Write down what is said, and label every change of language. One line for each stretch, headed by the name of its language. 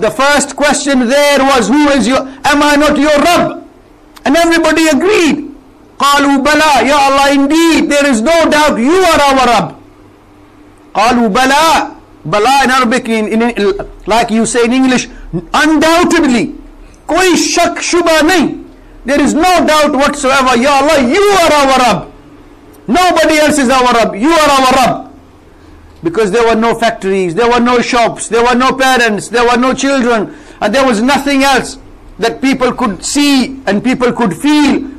English: The first question there was, who is your, am I not your Rabb? And everybody agreed.
Arabic: Qalu bala,
English: Ya Allah, indeed, there is no doubt you are our Rabb.
Arabic: قالوا بلا بلا
English: in Arabic, in like you say in English, undoubtedly.
Urdu: کوئی شک شبہ نہیں۔
English: There is no doubt whatsoever. Ya Allah, you are our Rabb. Nobody else is our Rabb. You are our Rabb. Because there were no factories, there were no shops, there were no parents, there were no children, and there was nothing else that people could see and people could feel.